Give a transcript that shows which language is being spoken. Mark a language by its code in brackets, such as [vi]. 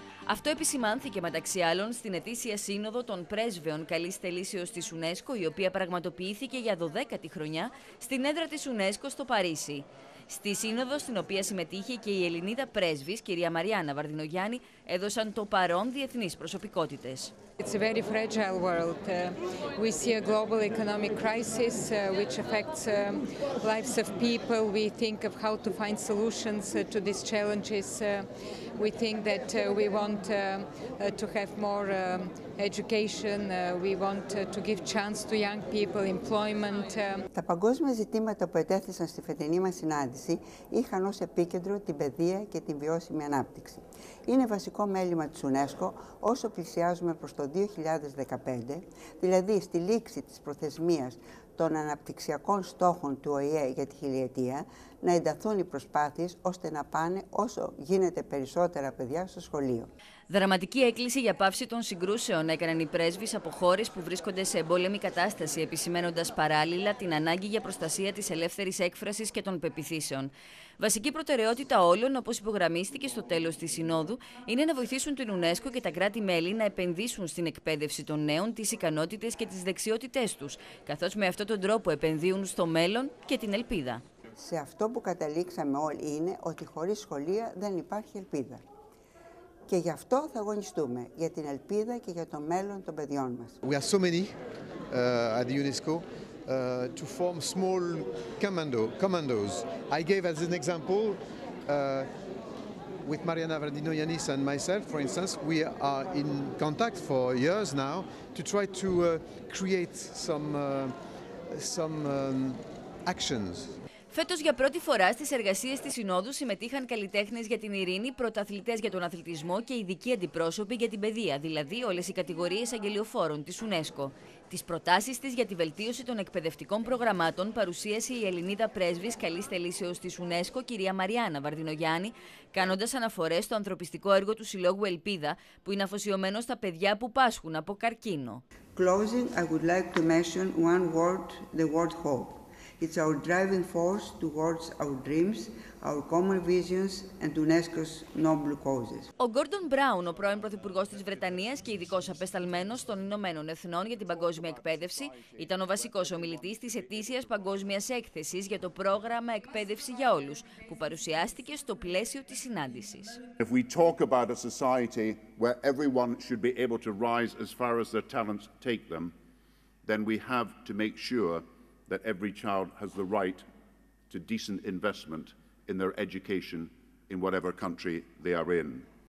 [el] Αυτό επισημάνθηκε μεταξύ άλλων στην ετήσια σύνοδο των πρέσβεων καλής θελήσεως της UNESCO, η οποία πραγματοποιήθηκε για 12η χρονιά στην έδρα της UNESCO στο Παρίσι. Στη σύνοδο, στην οποία συμμετείχε και η Ελληνίδα πρέσβης, κυρία Μαριάννα Βαρδινογιάννη, έδωσαν το παρόν διεθνείς προσωπικότητες. [en] It's a very fragile world. We see a global economic crisis which affects lives of people. We think of how to find solutions to these challenges. We think that we want to have more education. We want to give chance to young people, employment. [el] Τα παγκόσμια ζητήματα που ετέθησαν στη φετινή μας συνάντηση είχαν ως επίκεντρο την παιδεία και την βιώσιμη ανάπτυξη. Είναι βασικό μέλημα της UNESCO όσο πλησιάζουμε προς το 2015, δηλαδή στη λήξη της προθεσμίας των αναπτυξιακών στόχων του ΟΗΕ για τη χιλιετία, να ενταθούν οι προσπάθειες ώστε να πάνε όσο γίνεται περισσότερα παιδιά στο σχολείο. Δραματική έκκληση για πάυση των συγκρούσεων έκαναν οι πρέσβεις από χώρες που βρίσκονται σε εμπόλεμη κατάσταση, επισημένοντας παράλληλα την ανάγκη για προστασία της ελεύθερης έκφρασης και των πεπιθήσεων. Βασική προτεραιότητα όλων, όπως υπογραμμίστηκε στο τέλος της Συνόδου, είναι να βοηθήσουν την UNESCO και τα κράτη-μέλη να επενδύσουν στην εκπαίδευση των νέων, τις ικανότητες και τις δεξιότητές τους, καθώς με αυτόν τον τρόπο επενδύουν στο μέλλον και την ελπίδα. Σε αυτό που καταλήξαμε όλοι είναι ότι χωρίς σχολεία δεν υπάρχει ελπίδα. Και γι' αυτό θα αγωνιστούμε, για την ελπίδα και για το μέλλον των παιδιών μας. [en] We are so many at the UNESCO to form small commandos. I gave as an example with Mariana Vardinoyanis and myself, for instance, we are in contact for years now to try to create some actions. [el] Φέτος για πρώτη φορά στις εργασίες της Συνόδου συμμετείχαν καλλιτέχνες για την ειρήνη, πρωταθλητές για τον αθλητισμό και ειδικοί αντιπρόσωποι για την παιδεία, δηλαδή όλες οι κατηγορίες αγγελιοφόρων της UNESCO. Τις προτάσεις της για τη βελτίωση των εκπαιδευτικών προγραμμάτων παρουσίασε η Ελληνίδα πρέσβης καλής θελήσεως της UNESCO, κυρία Μαριάννα Βαρδινογιάννη, κάνοντας αναφορές στο ανθρωπιστικό έργο του Συλλόγου Ελπίδα, που είναι αφοσιωμένο στα παιδιά που πάσχουν από καρκίνο. [en] Closing, I would like to mention one word, the word hope. It's our driving force towards our dreams, our common visions and UNESCO's noble causes. [el] Ο Gordon Brown, ο πρώην Πρωθυπουργός της Βρετανίας και ειδικός απεσταλμένος των Ηνωμένων Εθνών για την Παγκόσμια Εκπαίδευση, ήταν ο βασικός ομιλητής της ετήσιας Παγκόσμιας Έκθεσης για το πρόγραμμα Εκπαίδευση για Όλους, που παρουσιάστηκε στο πλαίσιο της συνάντησης. [en] If we talk about a society where everyone should be able to rise as far as their talents take them, then we have to make sure that every child has the right to decent investment in their education in whatever country they are in.